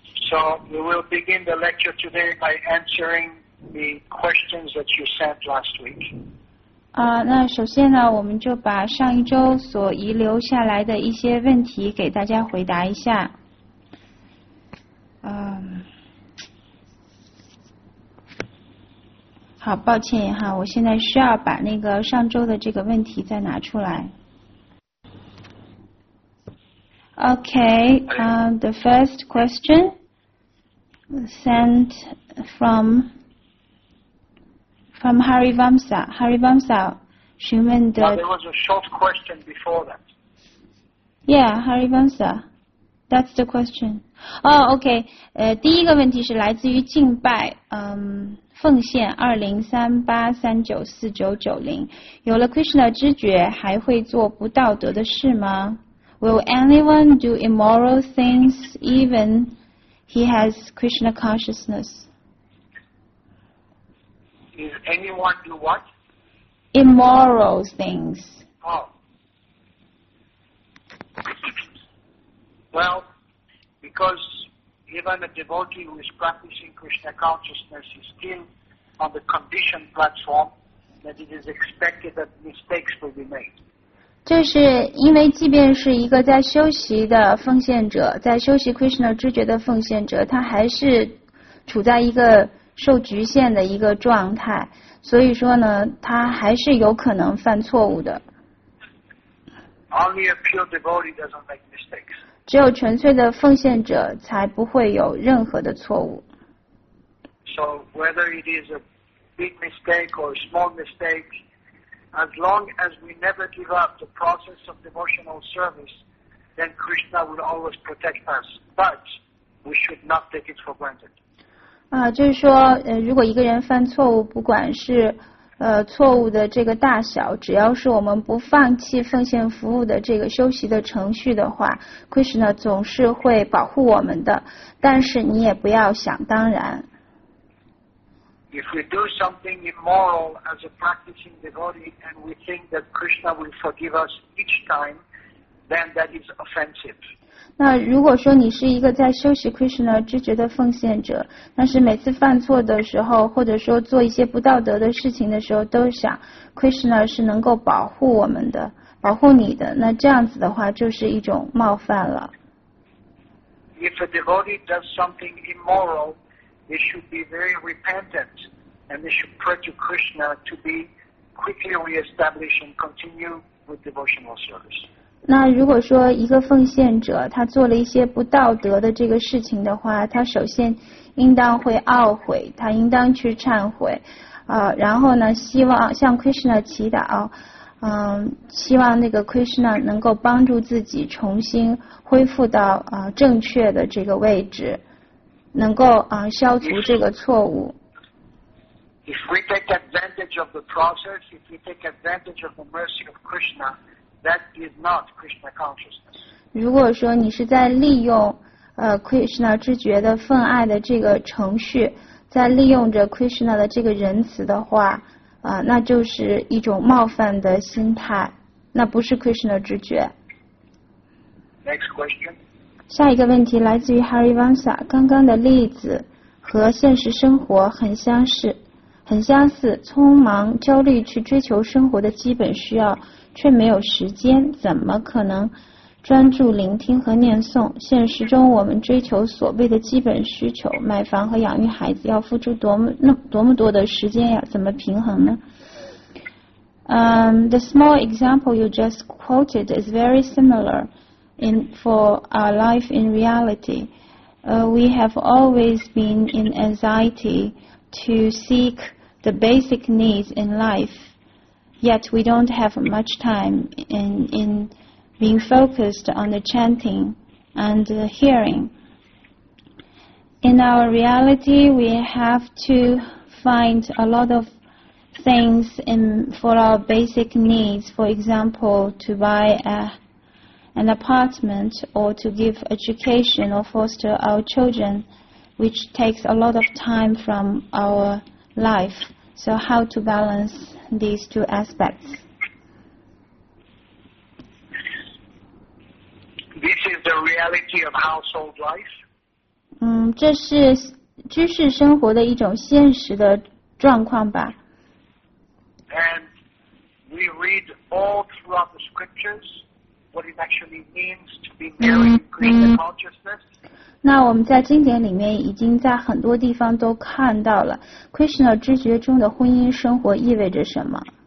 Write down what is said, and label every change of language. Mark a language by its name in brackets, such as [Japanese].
[English] So we will begin the lecture today by answering the questions that you sent last week. [Chinese] 那首先呢，我们就把上一周所遗留下来的一些问题给大家回答一下。好，抱歉哈，我现在需要把那个上周的这个问题再拿出来。 [English] Okay, the first question sent from Hari Vamsa. [Chinese] Hari Vamsa 询问的。 [English] There was a short question before that. Yeah, Hari Vamsa, that's the question. Oh, okay. [Chinese] 第一个问题是来自于敬拜，奉献20383949990，有了 Krishna 知觉，还会做不道德的事吗 ？ [English] Will anyone do immoral things even he has Krishna consciousness? Is anyone do what? Immoral things. Oh. Well, because even a devotee who is practicing Krishna consciousness is still. On the condition platform, that it is expected that mistakes will be made. [Chinese] 就是因为即便是一个在修习的奉献者，在修习 Krishna 知觉的奉献者，他还是处在一个受局限的一个状态，所以说呢，他还是有可能犯错误的。 [English] Only a pure devotee doesn't make mistakes. [Chinese] 只有纯粹的奉献者才不会有任何的错误。 [English] So whether it is a big mistake or a small mistake, as long as we never give up the process of devotional service, then Krishna will always protect us. But we should not take it for granted. [Chinese] 就是说，如果一个人犯错误，不管是错误的这个大小，只要是我们不放弃奉献服务的这个修习的程序的话 ，Krishna 总是会保护我们的。但是你也不要想当然。 [English] If we do something immoral as a practicing devotee and we think that Krishna will forgive us each time, then that is offensive. [Chinese] 那如果说你是一个在修习 Krishna 知觉的奉献者，但是每次犯错的时候，或者说做一些不道德的事情的时候，都想 Krishna 是能够保护我们的，保护你的，那这样子的话就是一种冒犯了。 [English] If a devotee does something immoral,They should be very repentant, and they should pray to Krishna to be quickly reestablished and continue with devotional service. [Chinese] 那如果说一个奉献者他做了一些不道德的这个事情的话，他首先应当会懊悔，他应当去忏悔，然后呢，希望向 Krishna 祈祷，希望那个 Krishna 能够帮助自己重新恢复到正确的这个位置，能够消除这个错误。 [English] If we take advantage of the process, if we take advantage of the mercy of Krishna, that is not Krishna consciousness. [Chinese] 如果说你是在利用Krishna 知觉的分爱的这个程序，在利用着 Krishna 的这个仁慈的话，那就是一种冒犯的心态，那不是 Krishna 知觉。 [English] Next question. [Chinese] 下一个问题来自于 Harivansa， 刚刚的例子和现实生活很相似。很相似，匆忙焦虑去追求生活的基本需要，却没有时间，怎么可能专注聆听和念诵？现实中我们追求所谓的基本需求，买房和养育孩子要付出多么多的时间呀，怎么平衡呢？ [English] The small example you just quoted is very similar in for our life in reality. We have always been in anxiety. To seek the basic needs in life, yet we don't have much time in being focused on the chanting and the hearing. In our reality, we have to find a lot of things for our basic needs, for example, to buy an apartment or to give education or foster our children. Which takes a lot of time from our life. So how to balance these two aspects? This is the reality of household life. [Chinese] 这是居士生活的一种现实的状况吧。 [English] And we read all throughout the scriptures what it actually means to be married in Krishna consciousness. [Chinese] 那我们在经典里面已经在很多地方都看到了 Krishna 知觉中的婚姻生活意味着什么。